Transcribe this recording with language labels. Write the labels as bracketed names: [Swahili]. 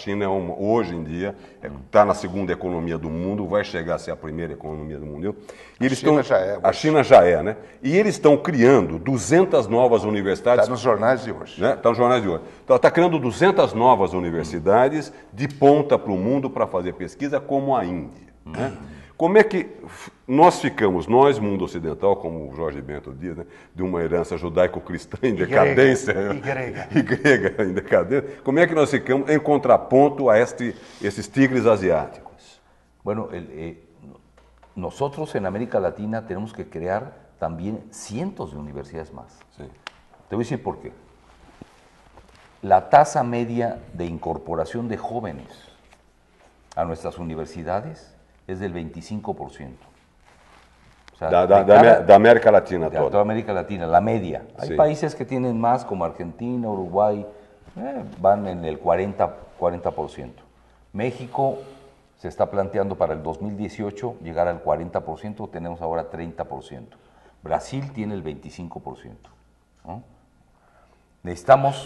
[Spanish] A China, hoy en día, está en la segunda economía del mundo, va a llegar a ser la primera economía del mundo. A China ya es, ¿no? Y ellos están creando 200 nuevas universidades. Está en los jornales de hoy. Está en los jornales de hoy. Está creando 200 nuevas universidades de ponta para el mundo para hacer pesquisa, como a Índia. [Portuguese] Como é que nós ficamos, nós, mundo ocidental, como o Jorge Bento diz, né, de uma herança judaico-cristã em decadência? E grega. Em decadência. Como é que nós ficamos em contraponto a esses tigres asiáticos? Bueno, nós, na América Latina, temos que criar também cientos de universidades mais. Sim. Te vou dizer por quê. A taxa média de incorporação de jovens a nossas universidades [Spanish] es del 25%. O sea, de América Latina toda. De toda América Latina, la media. Hay países que tienen más, como Argentina, Uruguay, van en el 40%. México se está planteando para el 2018 llegar al 40%, tenemos ahora 30%. Brasil tiene el 25%. ¿No? Necesitamos...